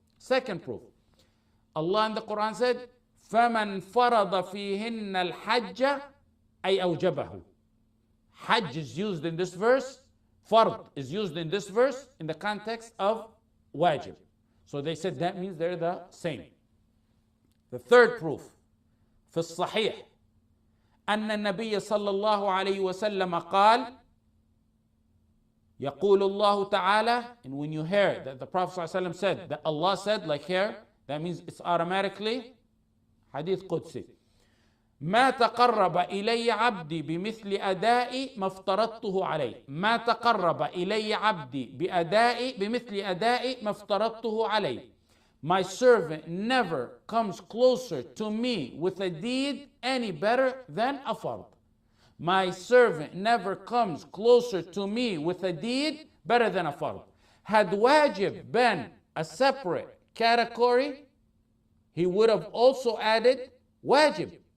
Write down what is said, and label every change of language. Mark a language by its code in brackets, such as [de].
[en] Second proof, Allah in the Quran said, [ar] فَمَنْ فَرَضَ فِيهِنَّ الْحَجَّ أَيْ أَوْجَبَهُ. [en] Hajj is used in this verse. Fard is used in this verse in the context of wajib. So they said that means they're the same. The third proof, [ar] في الصحيح أن النبي صلى الله عليه وسلم قال يقول الله تعالى. [en] And when you hear that the Prophet ﷺ said that Allah said, like here, that means it's automatically hadith Qudsi. [ar] ما تقرب إلي عبدي بمثل أدائي ما افترضته عليه. ما تقرب إلي عبدي بأدائي بمثل أدائي ما افترضته عليه. [en] My servant never comes closer to me with a deed any better than a fard. My servant never comes closer to me with a deed better than a fard. Had wajib been a separate category, he would have also added wajib.